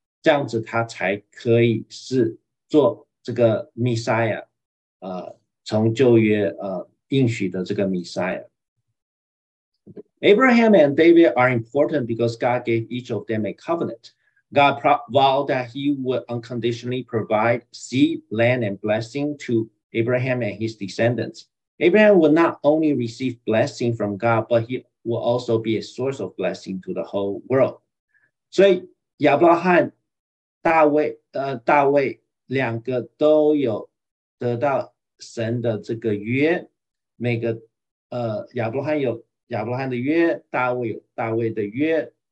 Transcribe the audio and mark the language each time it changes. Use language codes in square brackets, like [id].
[zh] 这样子他才可以是做这个弥赛亚，从旧约应许的这个弥赛亚。 [en] Abraham and David are important because God gave each of them a covenant. God vowed that he would unconditionally provide seed, land, and blessing to Abraham and his descendants. Abraham would not only receive blessing from God, but he will also be a source of blessing to the whole world. [zh] 所以亚伯拉罕、大卫、大卫两个都有得到神的这个约。每个亚伯拉罕有亚伯拉罕的约，大卫有大卫的约。